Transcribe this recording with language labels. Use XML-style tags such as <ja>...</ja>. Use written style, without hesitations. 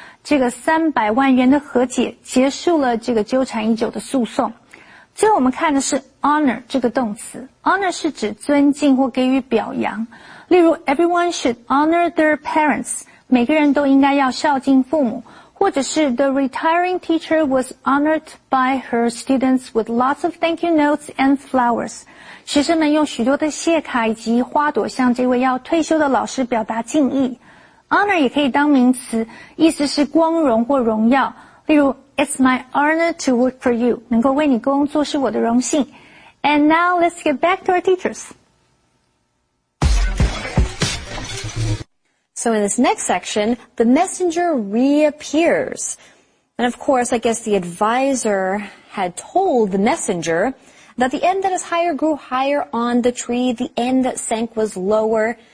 <zh>这个300万元的和解结束了这个纠缠已久的诉讼。最后我们看的是 honor 这个动词。honor 是指尊敬或给予表扬。例如</zh> <en>everyone should honor their parents.</en> <zh>每个人都应该要孝敬父母。或者是</zh> <en>The retiring teacher was honored by her students with lots of thank you notes and flowers.</en> <zh>学生们用许多的谢卡以及花朵向这位要退休的老师表达敬意。 Honor 也可以当名词，意思是光荣或荣耀。例如</zh> <en>It's my honor to work for you.</en> <zh>能够为你工作是我的荣幸。</zh> <en>And now let's get back to our teachers. So in this next section, the messenger reappears. And of course, I guess the advisor had told the messenger that the end that is higher grew higher on the tree, the end that sank was lower.</en>